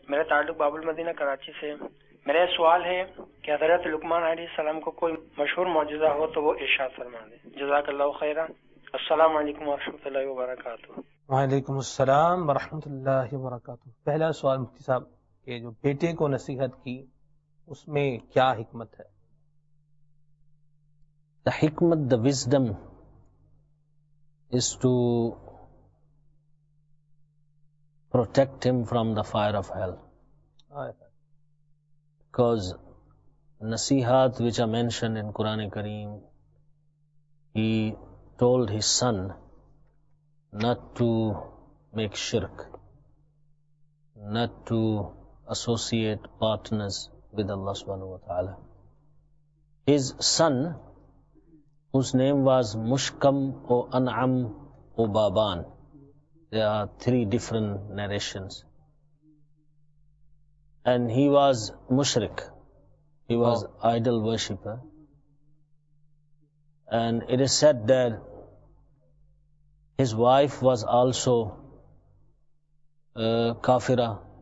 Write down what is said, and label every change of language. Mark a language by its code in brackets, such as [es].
[ur] میرا تعلق باب المدینہ کراچی سے. میرا سوال ہے کہ حضرت لقمان علیہ السلام کو کوئی مشہور معجزہ ہو تو وہ ارشاد فرما دے. جزاک اللہ خیرا. السلام علیکم ورحمۃ اللہ وبرکاتہ. وعلیکم السلام ورحمۃ اللہ وبرکاتہ. پہلا سوال مفتی صاحب کہ جو بیٹے کو نصیحت کی اس میں کیا حکمت ہے؟ [en] The حکمت the wisdom is to protect him from the fire of hell. Because نصیحت which I mention in Quran کریم he told his son not to make شرک not to associate partners with Allah subhanahu wa ta'ala. His son, whose name was Mushkam or An'am or Baban, there are three different narrations, and he was mushrik, he was idol worshipper, and it is said that his wife was also kafira.